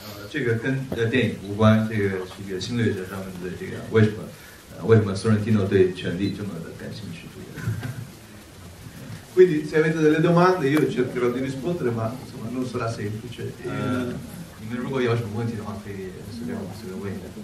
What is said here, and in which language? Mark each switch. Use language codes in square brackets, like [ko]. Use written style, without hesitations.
[zh] 这个跟电影无关，这个侵略者他们的这个为什么索伦蒂诺对权力这么的感兴趣？ [it] Quindi se avete delle domande io cercherò di rispondere, ma insomma non sarà semplice. [zh] 你们如果有什么问题的话，可以随便问一下。